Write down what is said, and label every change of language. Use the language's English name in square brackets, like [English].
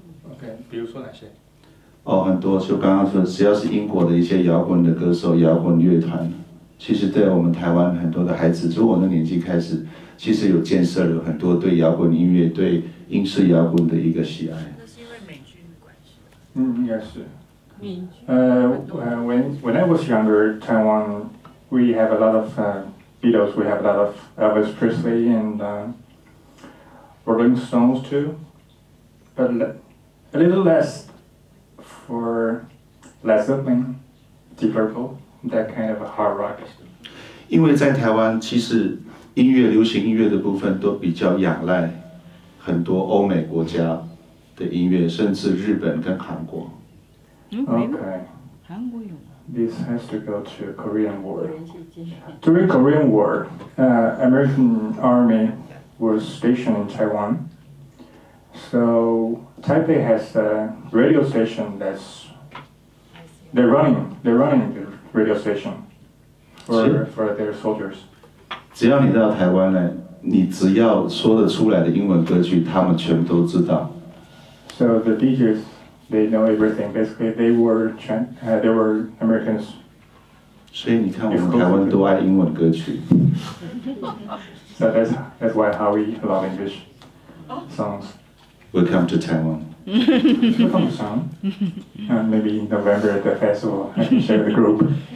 [Chinese] OK, 比如说哪些？哦，很多，就刚刚说，只要是英国的一些摇滚的歌手、摇滚乐团，其实对我们台湾很多的孩子，从我的年纪开始，其实有建设了很多对摇滚音乐、对英式摇滚的一个喜爱。那是因为美军的关系。应该是。 [English] When I was younger, Taiwan, we have a lot of Beatles, we have a lot of Elvis Presley and Rolling Stones too, but a little less for Led Zeppelin, Deep Purple, that kind of a hard rock. [Chinese] 因为在台湾，其实音乐流行音乐的部分都比较仰赖很多欧美国家的音乐，甚至日本跟韩国。 [English] Okay, this has to go to Korean War. During Korean War, American army was stationed in Taiwan. So Taipei has a radio station that's they're running the radio station for their soldiers. [Chinese] 只要你到台湾来，你只要说得出来的英文歌曲，他们全都知道。 [English] So the DJs, they know everything. Basically, they were they were Americans. [Chinese] 所以你看，我们台湾都爱英文歌曲。 [English] So that's why how we love English songs. Welcome to Taiwan. Welcome to Taiwan. Maybe in November at the festival, I can share the group.